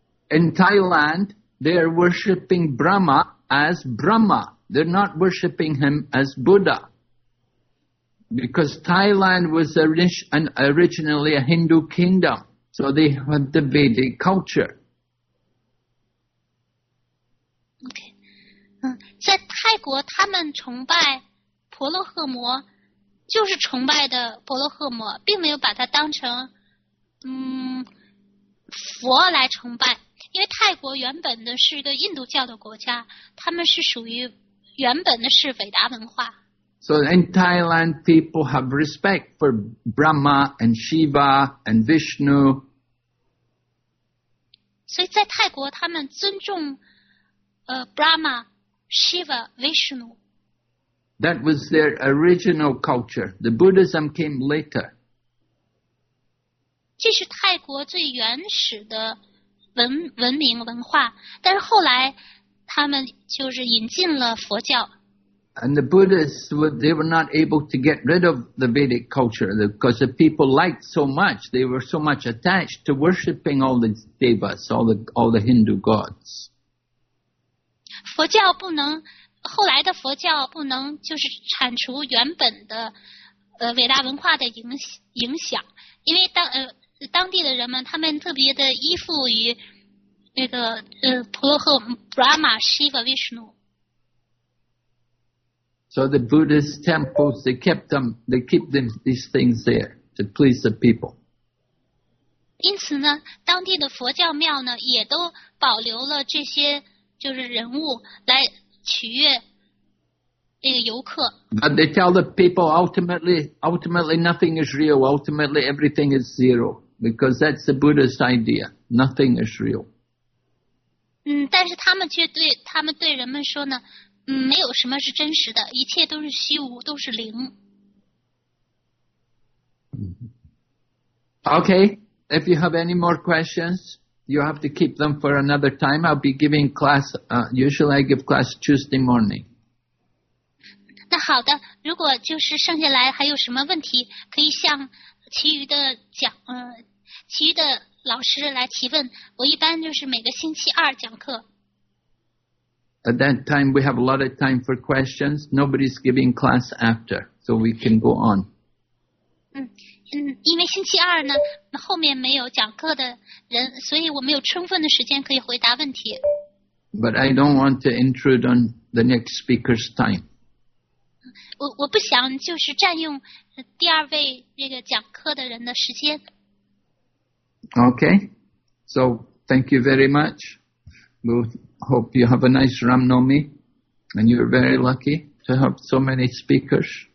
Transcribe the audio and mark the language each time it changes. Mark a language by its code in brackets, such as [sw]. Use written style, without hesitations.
[en] In Thailand, they are worshipping Brahma as Brahma. They're not worshipping him as Buddha. Because Thailand was originally a Hindu kingdom, so they had the Vedic culture. Okay. [zh] 在泰国，他们崇拜婆罗诃摩。就是崇拜的婆罗诃摩，并没有把它当成佛来崇拜，因为泰国原本的是一个印度教的国家，他们是属于原本的是伟达文化。 [en] So in Thailand, people have respect for Brahma and Shiva and Vishnu. [zh] 所以在泰国，他们尊重Brahma, Shiva, Vishnu. [en] That was their original culture. The Buddhism came later. [zh] 这是泰国最原始的文明文化，但是后来他们就是引进了佛教。 [en] And the Buddhists, they were not able to get rid of the Vedic culture because the people liked so much. They were so much attached to worshipping all the devas, all the Hindu gods. [zh] 佛教不能后来的佛教不能就是铲除原本的伟大文化的影响，因为当地的人们他们特别的依附于那个婆罗诃摩 Brahma Shiva Vishnu. [en] So the Buddhist temples they keep them these things there to please the people. [zh] 因此呢，当地的佛教庙呢也都保留了这些就是人物来。取悦那个游客。 [en] But they tell the people ultimately nothing is real. Ultimately everything is zero because that's the Buddhist idea. Nothing is real. [zh] 但是他们对人们说呢，没有什么是真实的，一切都是虚无，都是零。 [en] Okay, if you have any more questions. You have to keep them for another time. I'll be giving class, usually I give class Tuesday morning. [zh] 那好的，如果就是剩下来还有什么问题，可以向其余的讲，其余的老师来提问。我一般就是每个星期二讲课。 [en] At that time, we have a lot of time for questions. Nobody's giving class after, so we can go on. [zh] 因为星期二呢，后面没有讲课的人，所以我们有充分的时间可以回答问题。 [en] But I don't want to intrude on the next speaker's time. [zh] 我不想就是占用第二位这个讲课的人的时间。 [en] Okay, so thank you very much. We'll hope you have a nice Ram Nomi, and you're very lucky to have so many speakers.